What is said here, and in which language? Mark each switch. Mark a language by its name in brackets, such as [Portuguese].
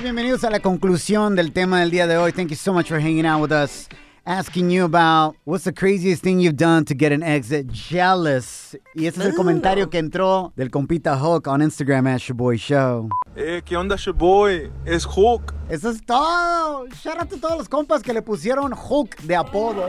[Spanish] Bienvenidos a la conclusión del tema del día de hoy. [English] Thank you so much for hanging out with us. Asking you about what's the craziest thing you've done to get an ex jealous. [Spanish] Y ese es el comentario que entró del compita Hulk on Instagram at Shaboy Show. ¿Qué onda, Shaboy? Es Hulk. Eso es todo. Shout out a todos los compas que le pusieron Hulk de apodo.